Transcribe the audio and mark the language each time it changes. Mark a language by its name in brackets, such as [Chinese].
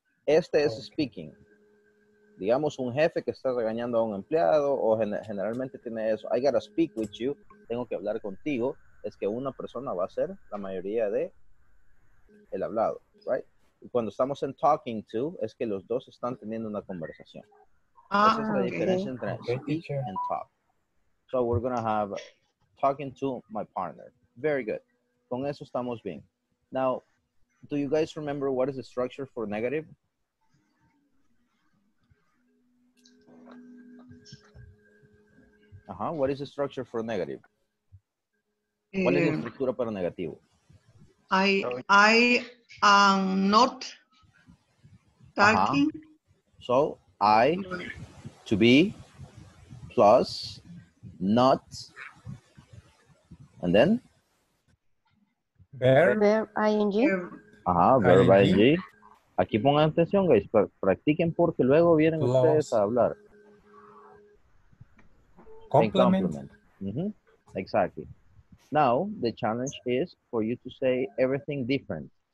[Spanish] Este es speaking. Digamos un jefe que está regañando a un empleado o generalmente tiene eso. [English] I gotta speak with you. [Spanish] Tengo que hablar contigo. Es que una persona va a ser la mayoría de el hablado, right? Y cuando estamos en talking to, es que los dos están teniendo una conversación. Ah, esa es la diferencia entre [English] speak and talk. So we're gonna have talking to my partner. Very good. [Spanish] Con eso estamos bien. [English] Now, do you guys remember what is the structure for negative? Uh-huh. What is the structure for negative? [Spanish] ¿Cuál es la estructura para negativo? [English] I am not talking. Uh-huh. So, I to be plus not and then? Verb ing. [Spanish] Ajá, verb ing. Aquí pongan atención, guys. Practiquen porque luego vienen plus ustedes a hablar. [English] Complement. Mm-hmm. Exactly. Now, the challenge is for you to say everything different.